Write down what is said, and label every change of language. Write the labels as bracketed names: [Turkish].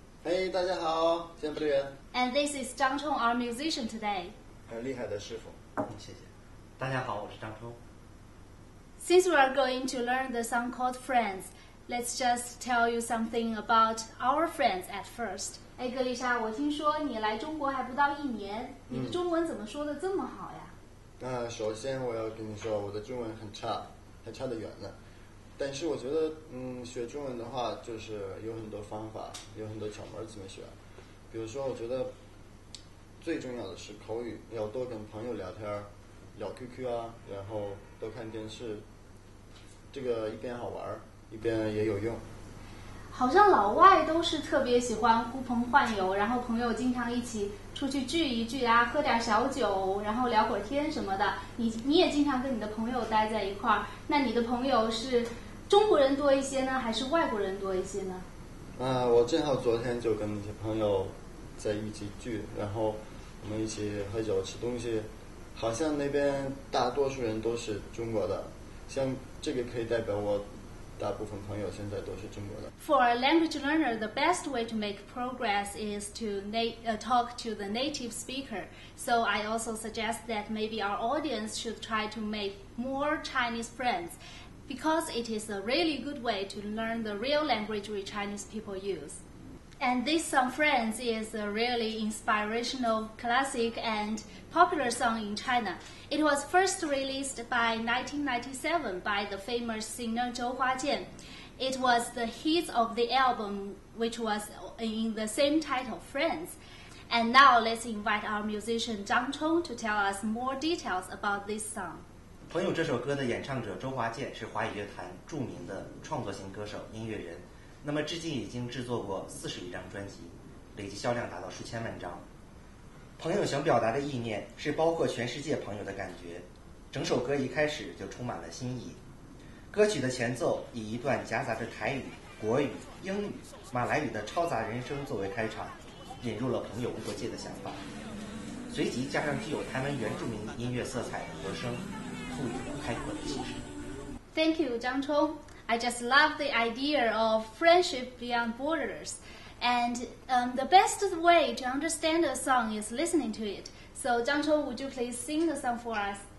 [Chinese] Hey, 大家好，先不远。 [English] And this is Zhang Chong, our musician today. [Chinese] 很厉害的师傅，谢谢。大家好，我是张冲。 [English] Since we are going to learn the song called Friends, let's just tell you something about our friends at first. [Chinese] 哎，格丽莎，我听说你来中国还不到一年，你的中文怎么说的这么好呀？那首先我要跟你说，我的中文很差，还差得远呢。但是我觉得，学中文的话，就是有很多方法，有很多窍门怎么学。比如说，我觉得最重要的是口语，要多跟朋友聊天。聊 QQ 啊，然后多看电视，这个一边好玩一边也有用。好像老外都是特别喜欢呼朋唤友，然后朋友经常一起出去聚一聚啊，喝点小酒，然后聊会儿天什么的。你也经常跟你的朋友待在一块儿，那你的朋友是中国人多一些呢，还是外国人多一些呢？我正好昨天就跟一些朋友在一起聚，然后我们一起喝酒吃东西。好像那边大多数人都是中国的，像这个可以代表我大部分朋友现在都是中国的。 [English] For a language learner, the best way to make progress is to talk to the native speaker. So I also suggest that maybe our audience should try to make more Chinese friends, because it is a really good way to learn the real language which Chinese people use. And this song, Friends, is a really inspirational classic and popular song in China. It was first released by 1997 by the famous singer Zhou Huajian. It was the hit of the album, which was in the same title, Friends. And now let's invite our musician Zhang Chong to tell us more details about this song. [Chinese] 朋友这首歌的演唱者周华健是华语乐坛著名的创作型歌手、音乐人。那么至今已经制作过40余张专辑，累计销量达到数千万张。朋友想表达的意念是包括全世界朋友的感觉，整首歌一开始就充满了新意。歌曲的前奏以一段夹杂着台语、国语、英语、马来语的超杂人声作为开场，引入了朋友无国界的想法。随即加上具有台湾原住民音乐色彩的和声，赋予了开阔的气势。 [English] Thank you, 张冲。 I just love the idea of friendship beyond borders. And the best way to understand a song is listening to it. So, Zhang Chong, would you please sing the song for us?